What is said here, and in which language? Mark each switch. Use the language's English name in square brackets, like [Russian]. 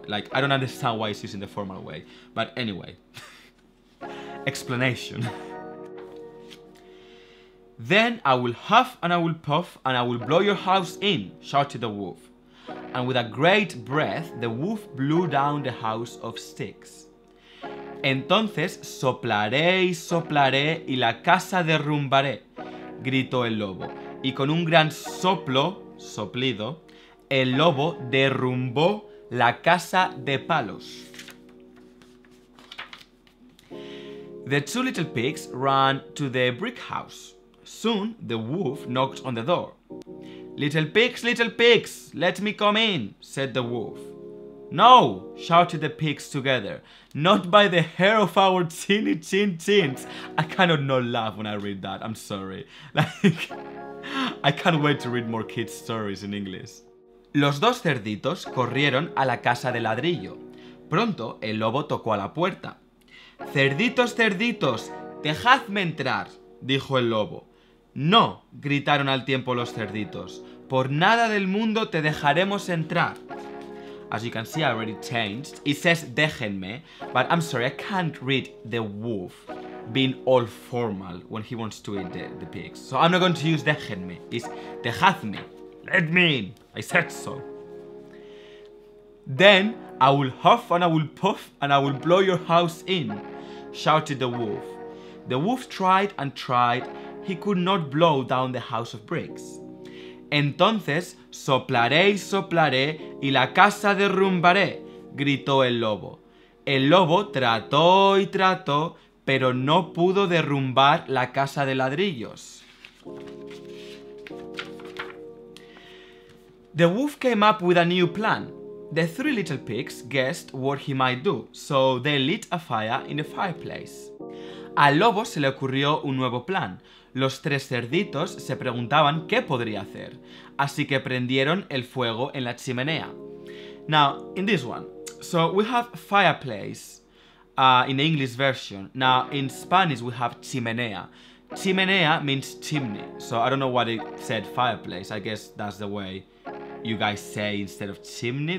[English] Like, I don't understand why he's using the formal way, but anyway. Explanation. Then I will huff and I will puff and I will blow your house in, shouted the wolf. And with a great breath, the wolf blew down the house of sticks. [Spanish] Entonces soplaré y soplaré y la casa derrumbaré, gritó el lobo. Y con un gran soplo, soplido, el lobo derrumbó la casa de palos. [English] The two little pigs ran to the brick house. Soon, the wolf knocked on the door. Little pigs, let me come in, said the wolf. No, shouted the pigs together. Not by the hair of our teeny chin chins. I cannot not laugh when I read that, I'm sorry. Like, I can't wait to read more kids' stories in English. [Spanish] Los dos cerditos corrieron a la casa de ladrillo. Pronto, el lobo tocó a la puerta. Cerditos, cerditos, dejadme entrar, dijo el lobo. No, gritaron al tiempo los cerditos, por nada del mundo te dejaremos entrar. [English] As you can see, I already changed. It says déjenme, but I'm sorry, I can't read the wolf being all formal when he wants to eat the pigs. So I'm not going to use déjenme, it's dejadme. Let me in, I said so. Then I will huff and I will puff and I will blow your house in, shouted the wolf. The wolf tried and tried. He could not blow down the house of bricks. [Spanish] Entonces soplaré y soplaré y la casa derrumbaré, gritó el lobo. El lobo trató y trató, pero no pudo derrumbar la casa de ladrillos. [English] The wolf came up with a new plan. The three little pigs guessed what he might do, so they lit a fire in the fireplace. [Spanish] Al lobo se le ocurrió un nuevo plan. Los tres cerditos se preguntaban qué podría hacer, así que prendieron el fuego en la chimenea. [English] Now, in this one, so we have fireplace in the English version. Now, in Spanish we have chimenea. Chimenea means chimney, so I don't know what it said fireplace. I guess that's the way you guys say instead of chimney.